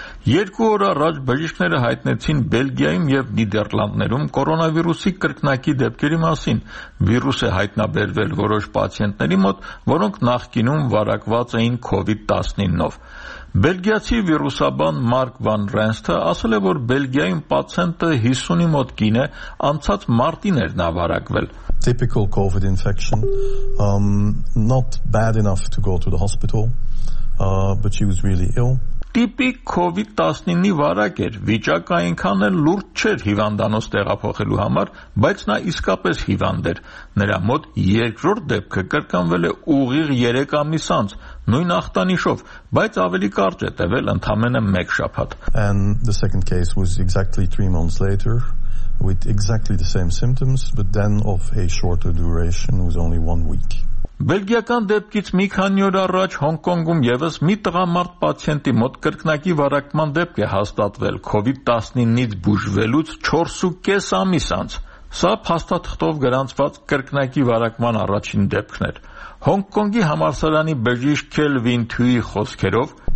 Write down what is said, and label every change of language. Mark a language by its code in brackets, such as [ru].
[hy] Երկու օր առաջ բժիշկները հայտնեցին Բելգիայում և Նիդերլանդներում կորոնավիրուսի կրկնակի դեպքերի մասին։ Վիրուս է հայտնաբերվել որոշ պացիենտների մոտ, որոնք նախկինում վարակված էին COVID-19-ով։ Բելգիացի վիրուսաբան Մարկ վան Ռենստը ասել է, որ Բելգիայում պացիենտը 50-ի մոտ կին է, անցած մարտին էր նա վարակվել։ [en] Typical COVID infection, not bad enough to go to the hospital, but she was really ill. [hy] Տիպիկ COVID-19-ի վարակ էր, վիճակը այնքան էլ լուրջ չէր հիվանդանոց տեղափոխելու համար, բայց նա իսկապես հիվանդ էր։ Նրա մոտ երկրորդ դեպքը կրկնվել է ուղիղ 3 ամիս անց, նույն ախտանիշով, բայց ավելի կարճ է տևել ընդամենը 1 շաբաթ։ [en] And the second case was exactly 3 months later with exactly the same symptoms, but then of a shorter duration, was only 1 week. [hy] Բելգիական դեպքից մի քանի օր առաջ Հոնկոնգում եւս մի տղամարդ պացիենտի մոտ կրկնակի վարակման դեպք է հաստատվել COVID-19-ից բուժվելուց 4.5 ամիս անց։ Սա փաստաթղթով գրանցված կրկնակի վարակման առաջին դեպքն էր։ Հոնկոնգի համալսարանի բժիշկ Քելվին Թյուի խոսքերով